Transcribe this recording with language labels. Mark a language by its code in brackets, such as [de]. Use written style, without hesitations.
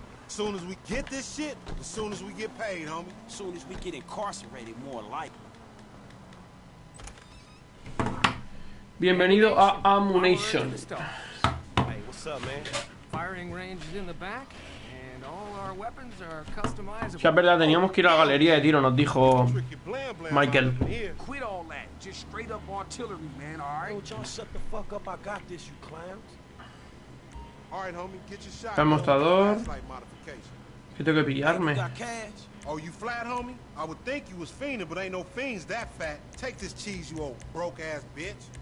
[en] As soon as we get this shit, as soon as we get paid, homie. As soon as we get incarcerated, more likely. [es] Bienvenido a Ammunition. [en] Hey, what's up, man? Firing range is in the back, and all our weapons are customizable. [es] Ya, verdad, teníamos que ir a la galería de tiro, nos dijo Michael. [en] Quit all that. Just straight up artillery, man, alright? Don't y'all shut the fuck up. I got this, you clowns. Alright, homie, get your shot. [es] El mostrador. ¿Qué tengo que pillarme? [en] Oh, you flat, homie? I would think you was fiending, but ain't no fiends that fat. Take this cheese, you old broke-ass bitch.